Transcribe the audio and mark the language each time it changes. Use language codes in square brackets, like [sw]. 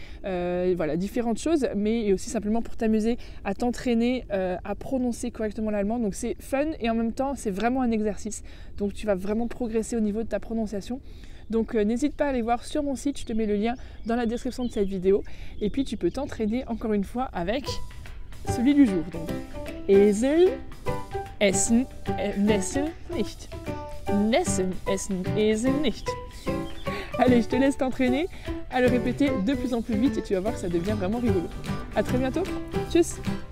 [fr] Voilà, différentes choses, mais aussi simplement pour t'amuser à t'entraîner à prononcer correctement l'allemand. Donc c'est fun et en même temps, c'est vraiment un exercice. Donc tu vas vraiment progresser au niveau de ta prononciation. Donc n'hésite pas à aller voir sur mon site, je te mets le lien dans la description de cette vidéo. Et puis tu peux t'entraîner encore une fois avec celui du jour. [de] Donc, Esel essen Nesseln nicht. Nesseln essen Esel nicht. [fr] Allez, je te laisse t'entraîner à le répéter de plus en plus vite et tu vas voir que ça devient vraiment rigolo. À très bientôt. Tchuss !